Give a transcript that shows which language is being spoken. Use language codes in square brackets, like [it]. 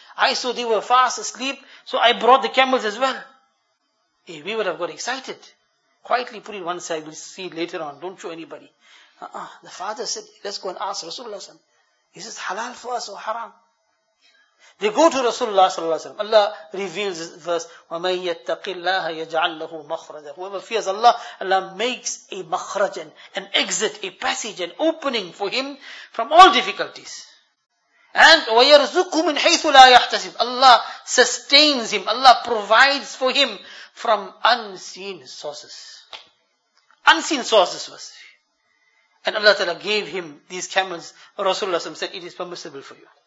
[en] I saw they were fast asleep. So I brought the camels as well. Hey, we would have got excited. Quietly put it one side. We'll see it later on. Don't show anybody. The father said, let's go and ask Rasulullah sallallahu alaihi wasallam. Is this halal for us or haram? They go to Rasulullah sallallahu alaihi wasallam. Allah reveals this verse, [ar] وَمَنْ يَتَّقِ اللَّهَ يَجْعَلْ لَهُ مَخْرَجًا. [en] Whoever fears Allah, Allah makes a makhrajan, an exit, a passage, an opening for him from all difficulties. And [ar] وَيَرْزُقُ مِنْ حَيْثُ لَا يَحْتَسِبُ. [en] Allah sustains him, Allah provides for him from unseen sources. Unseen sources was. And Allah Ta'ala gave him these camels. Rasulullah said, it is permissible for you.